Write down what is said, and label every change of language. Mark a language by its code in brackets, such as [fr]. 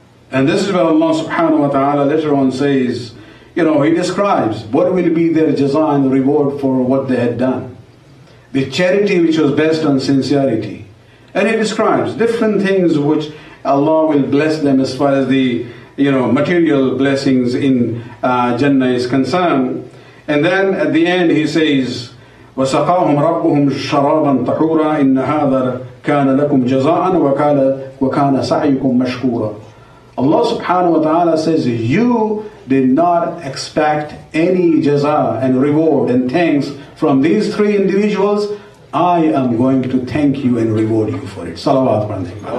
[en] And this is where Allah subhanahu wa ta'ala later on says, you know, he describes what will be their jaza and reward for what they had done. The charity which was based on sincerity. And he describes different things which Allah will bless them as far as the, you know, material blessings in Jannah is concerned. And then at the end he says, [ar] وَسَقَاهُمْ رَبُّهُمْ شَرَابًا طَحُورًا إِنَّ هَذَا كَانَ لَكُمْ جَزَاءً وَكَانَ سَعِيكُمْ مَشْكُورًا. [en] Allah subhanahu wa ta'ala says, you did not expect any jaza and reward and thanks from these three individuals. I am going to thank you and reward you for it. Salawat.